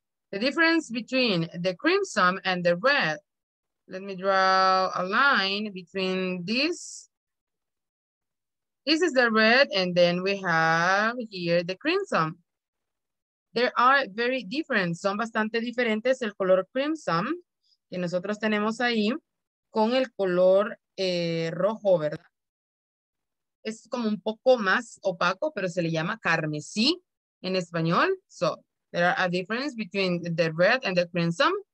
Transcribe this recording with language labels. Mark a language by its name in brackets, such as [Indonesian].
[English] The difference between the crimson and the red. Let me draw a line between this. This is the red, and then we have here the crimson. They are very different. [Spanish] Son bastante diferentes el color crimson que nosotros tenemos ahí con el color rojo, ¿verdad? Es como un poco más opaco, pero se le llama carmesí en español. [English] So, there are a difference between the red and the crimson.